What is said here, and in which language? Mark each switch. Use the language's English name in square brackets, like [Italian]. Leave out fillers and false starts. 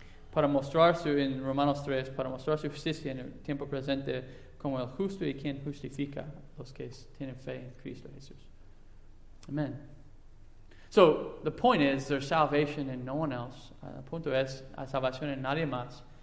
[Spanish] Para mostrar su, en Romanos 3, para mostrar su justicia en el tiempo presente como el justo y quien justifica los que tienen fe en Cristo Jesús. [English] Amen. So, the point is, there's salvation in no one else. [Spanish] El punto es, hay salvación en nadie más.